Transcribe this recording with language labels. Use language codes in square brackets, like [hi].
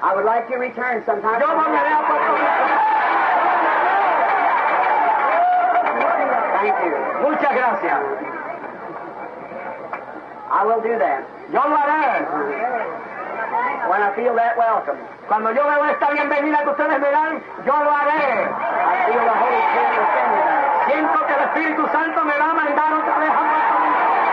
[en] I would like to return sometime. [es] Yo volveré a Puerto Rico. [en] Thank you. [es] Muchas gracias. [en] I will do that. [es] Yo lo haré. [en] When I feel that welcome. [es] Cuando yo veo esta bienvenida que ustedes me dan, yo lo haré. [en] I feel the Holy Spirit within me. [es] Siento que el Espíritu Santo me va a mandar otra vez a Puerto Rico.